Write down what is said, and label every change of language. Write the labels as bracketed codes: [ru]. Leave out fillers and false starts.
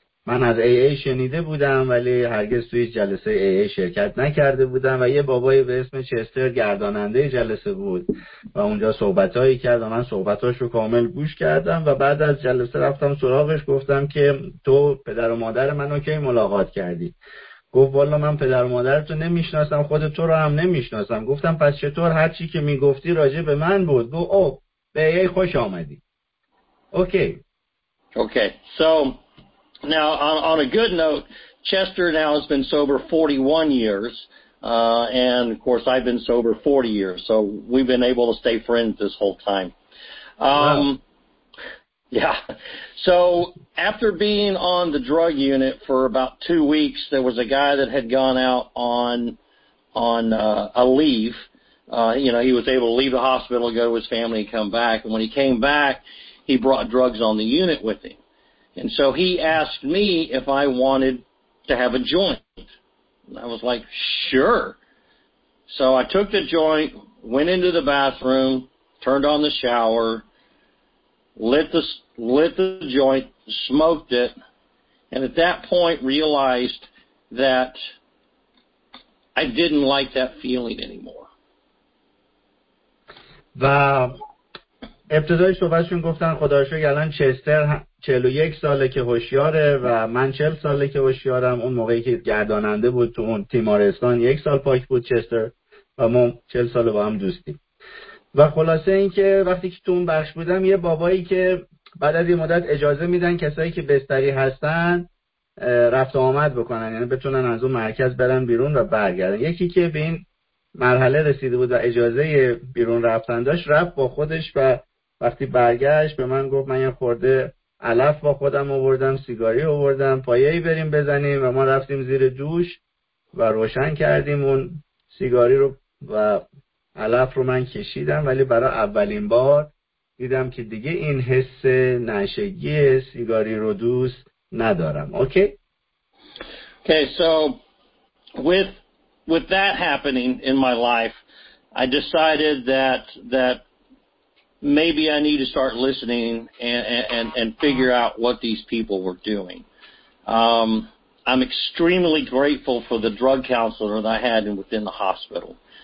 [fa] من از AA شنیده بودم ولی هرگز توی جلسه AA شرکت نکرده بودم و یه بابایی به اسم چستر گرداننده جلسه بود و اونجا صحبتهایی کرد و من صحبتاشو کامل گوش کردم و بعد از جلسه رفتم سراغش گفتم که تو پدر و مادر منو که ملاقات کردی؟ گفت والا من پدر و مادرتو نمیشناسم، خودت رو هم نمیشناسم. گفتم پس چطور هرچی که میگفتی راجع به من بود؟ گفت او به AA خوش آمدی. [en] Okay so Now, on a good note, Chester now has been sober 41 years, and of course, I've been sober 40 years, so we've been able to stay friends this whole time. Wow. Yeah. So, after being on the drug unit for about 2 weeks, there was a guy that had gone out on a leave. He was able to leave the hospital, go to his family, and come back. And when he came back, he brought drugs on the unit with him. And so he asked me if I wanted to have a joint. And I was like, sure. So I took the joint, went into the bathroom, turned on the shower, lit the joint, smoked it, and at that point realized that I didn't like that feeling anymore. [fa] ابتدای صحبتشون گفتن خداشکر الان چستر 41 ساله که هوشیاره و من 40 ساله که هوشیارم. اون موقعی که گرداننده بود تو اون تیمارستان یک سال پاک بود چستر و ما 40 ساله با هم دوستیم. و خلاصه این که وقتی که تو اون بخش بودم، یه بابایی که بعد از یه مدت اجازه میدن کسایی که بستری هستن رفت آمد بکنن، یعنی بتونن از اون مرکز برن بیرون و برگردن، یکی که بین مرحله رسیده بود و اجازه بیرون رفتن داشت، رفت با خودش و وقتی برگشت به من گفت من یه خورده علف با خودم آوردم، سیگاری آوردم، پایه‌ای بریم بزنیم. و ما رفتیم زیر دوش و روشن کردیم اون سیگاری رو و علف رو من کشیدم، ولی برای اولین بار دیدم که دیگه این حس نشگی سیگاری رو دوست ندارم. [en] Okay so With that happening in my life, I decided that maybe I need to start listening and figure out what these people were doing. I'm extremely grateful for the drug counselor that I had within the hospital.